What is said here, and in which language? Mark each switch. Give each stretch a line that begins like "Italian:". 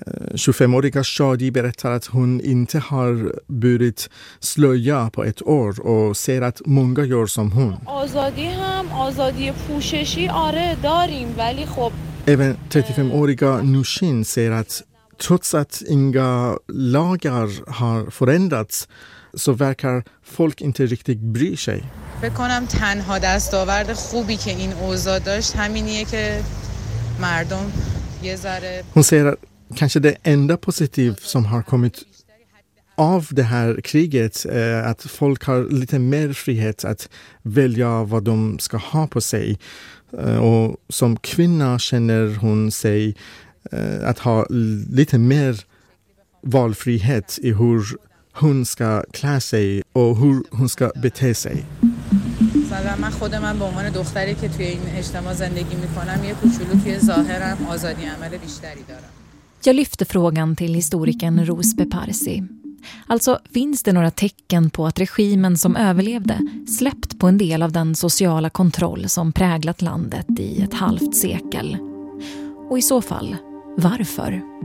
Swedish: 25-åriga Shadi berättar att hon inte har burit slöja på ett år och säger att många gör som hon. Även 35-åriga Nushin säger att trots att inga lagar har förändrats så verkar folk inte riktigt bry sig.
Persian: بکنم تنها دستاورد خوبی که این اوضاع داشت همینیه که مردم یه ذره.
Swedish: Hon säger att kanske det enda positiv som har kommit av det här kriget är att folk har lite mer frihet att välja vad de ska ha på sig. Och som kvinna känner hon sig att ha lite mer valfrihet i hur hon ska klä sig och hur hon ska bete sig.
Persian: من خود من به عنوان دختری که توی این اجتماع زندگی میکنم یه کوچولو توی ظاهرم آزادی عمل بیشتری دارم.
Swedish: Jag lyfter frågan till historikern Rose Beparsi. Alltså, finns det några tecken på att regimen som överlevde släppt på en del av den sociala kontroll som präglat landet i ett halvt sekel? Och i så fall, varför?